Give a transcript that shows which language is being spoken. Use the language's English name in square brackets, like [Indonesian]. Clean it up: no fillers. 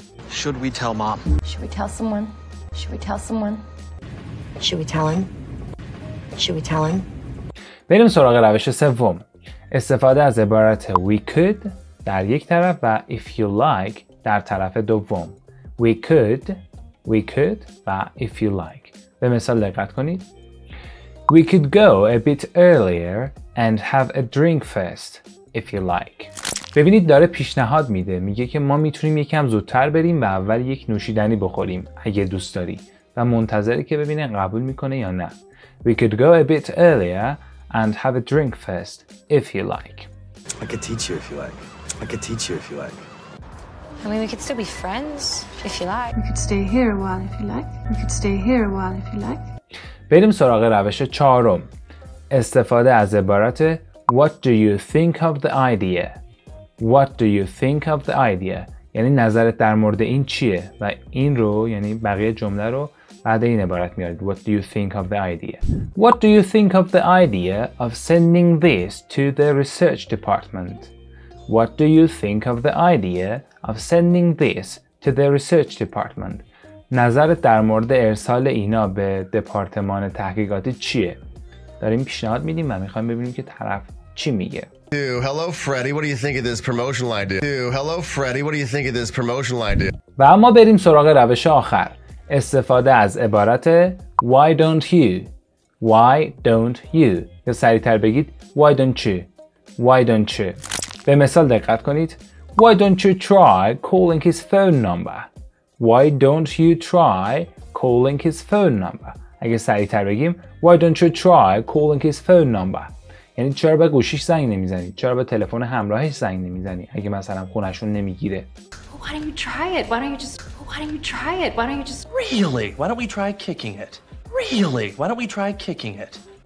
[English] Should we tell mom? Should we tell someone? Should we tell someone? Should we tell him? Should we tell him? [Persian] بریم سراغ روش سوم. استفاده از عبارت [English] we could [Persian] در یک طرف و [English] if you like [Persian] در طرف دوم. We could, we could و if you like. به مثال دقت کنید. [English] We could go a bit earlier and have a drink first if you like. [Persian] ببینید داره پیشنهاد میده، میگه که ما میتونیم یکم زودتر بریم و اول یک نوشیدنی بخوریم اگه دوست داری و منتظره که ببینه قبول میکنه یا نه. [English] We could go a bit earlier and have a drink first if you like. I could teach you if you like. I could teach you if you like. I mean we could still be friends if you like. We could stay here a while if you like. We could stay here a while if you like. [Persian] بریم سراغ روش چهارم. استفاده از عبارت [English] What do you think of the idea? What do you think of the idea? [Persian] یعنی نظرت در مورد این چیه؟ و این رو، یعنی بقیه جمله رو، بعد این عبارت میارید. [English] What do you think of the idea? What do you think of the idea of sending this to the research department? What do you think of the idea of sending this to the research department? [Persian] نظرت در مورد ارسال اینا به دپارتمان تحقیقاتی چیه؟ داریم پیشنهاد میدیم و میخوایم ببینیم که طرف چی میگه. [English] Hello Freddy, what do you think of this promotional idea? Hello Freddy, what do you think of this promotional idea? [Persian] و اما بریم سراغ روش آخر. استفاده از عبارت [English] Why don't you? Why don't you? [Persian] یا سریع‌تر بگید [English] Why don't you? Why don't you? [Persian] به مثال دقت کنید. [English] Why don't you try calling his phone number? Why don't you try calling his phone number? [Persian] اگه سریع‌تر بگیم [English] Why don't you try calling his phone number? [Persian] یعنی چرا به گوشیش زنگ نمیزنی؟ چرا به تلفن همراهش زنگ نمیزنی؟ اگه مثلا خونشون نمیگیره. [English] Why don't you try it? Why don't you try it? Why don't you just Really? Why don't we try kicking it? Really? Why don't we try kicking it?